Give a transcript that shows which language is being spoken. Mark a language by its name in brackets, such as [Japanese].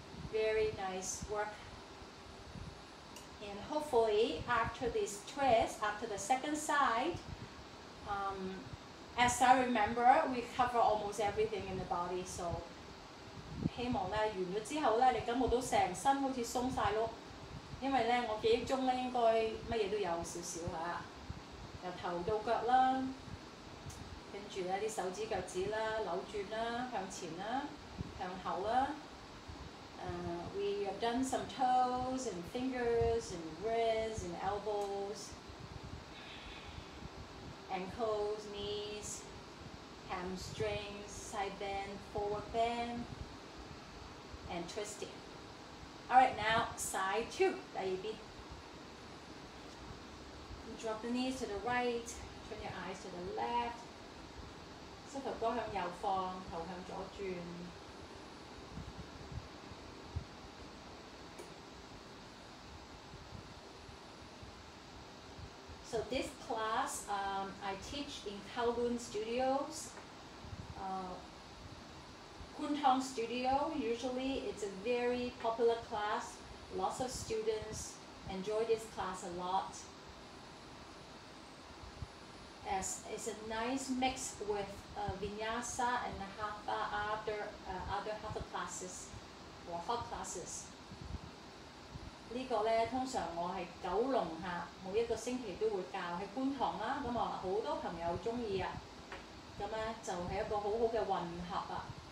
[English] Very nice work. And hopefully after this twist, after the second side, as I remember, we cover almost everything in the body, so [Cantonese] 希望呢完了之後呢你感覺都成身好像鬆曬咯。因為咧，我記憶中咧應該乜嘢都有少少嚇，由頭到腳啦，跟住咧啲手指腳趾啦，扭轉啦，向前啦，向後啦。 [English] We have done some toes and fingers and wrists and elbows, ankles, knees, hamstrings, side bend, forward bend, and twisting. All right, now side two, 第二邊。 Drop the knees to the right, turn your eyes to the left. [Cantonese] 膝頭哥向右放，頭向左轉。 [English] So this class, I teach in Kowloon Studios. Kuntong Studio, usually it's a very popular class. Lots of students enjoy this class a lot. As it's a nice mix with Vinyasa and Hatha, other Hatha classes or Hot classes. [Cantonese] 这个呢通常我是九龙下每一个星期都会教在Kuntong啦，咁啊好多朋友喜欢啊，咁呢就是一个很好的混合啊。